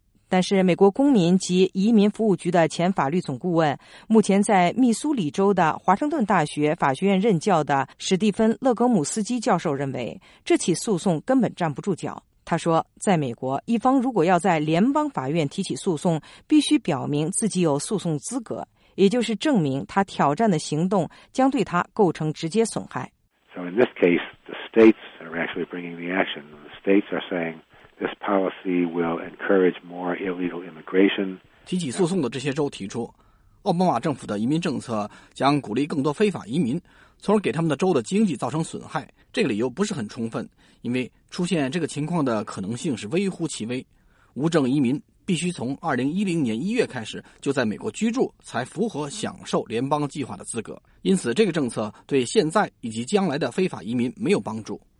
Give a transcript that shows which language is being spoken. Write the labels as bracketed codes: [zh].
[zh] 但是美国公民及移民服务局的前法律总顾问，目前在密苏里州的华盛顿大学法学院任教的史蒂芬·勒格姆斯基教授认为，这起诉讼根本站不住脚。他说，在美国，一方如果要在联邦法院提起诉讼，必须表明自己有诉讼资格，也就是证明他挑战的行动将对他构成直接损害。 [en] So in this case, the states are actually bringing the action. The states are saying this policy will encourage more illegal immigration. [zh] 提起诉讼的这些州提出，奥巴马政府的移民政策将鼓励更多非法移民，从而给他们的州的经济造成损害。这个理由不是很充分，因为出现这个情况的可能性是微乎其微。无证移民必须从2010年1月开始就在美国居住才符合享受联邦计划的资格，因此这个政策对现在以及将来的非法移民没有帮助。